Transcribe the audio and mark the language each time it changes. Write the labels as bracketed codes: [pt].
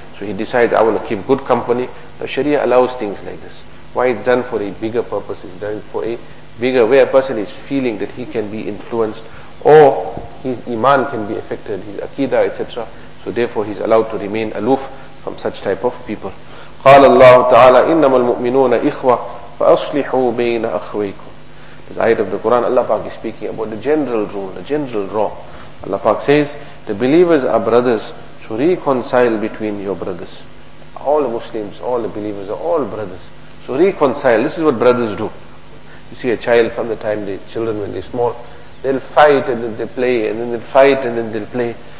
[en] So he decides, I want to keep good company. Now Sharia allows things like this. Why? It's done for a bigger purpose. It's done for a bigger way. A person is feeling that he can be influenced, or his iman can be affected, his aqidah, etc. So therefore he's allowed to remain aloof from such type of people. [ar] قال الله تعالى إنما المؤمنون إخوة فأصلحوا بين أخويكم. [en] This ayat of the Quran, Allah Pak is speaking about the general rule, the general law. Allah Pak says, the believers are brothers, so reconcile between your brothers. All the Muslims, all the believers are all brothers. So reconcile. This is what brothers do. You see a child from the time they children when they're small, they'll fight and then they play, and then they'll fight and then they'll play.